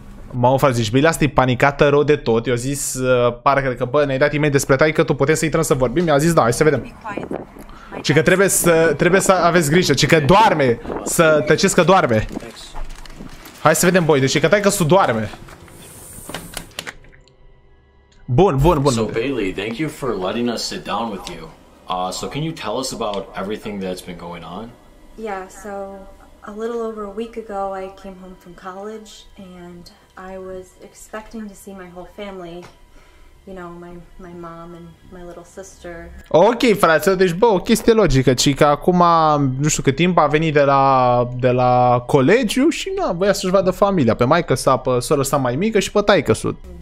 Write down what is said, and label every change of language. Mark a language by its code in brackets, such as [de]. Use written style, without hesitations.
[ro] Mamă, frate, zici, Bailey, asta e panicată rău de tot. I-a zis, pare că, bă, ne-ai dat email despre tatăl tău, că tu puteți să intrăm să vorbim. Mi-a zis, da, hai să vedem. Și că trebuie să aveți grijă, și că doarme. Să tăcesc că doarme. Hai să vedem, boy, deci că tatăl tău doarme. Bun. [en] So Bailey, thank you for letting us sit down with you. So can you tell us about everything that's been going on? Yeah, so a little over a week ago, I came home from college and I was expecting to see my whole family. You know, my mom and my little sister. [ro] Ok, frate, deci bă, o chestie logică, ci că acum, nu știu cât timp, a venit de la colegiu și nu, voia să-și vadă familia, pe maică sa, pe sora sa mai mică și pe taică su.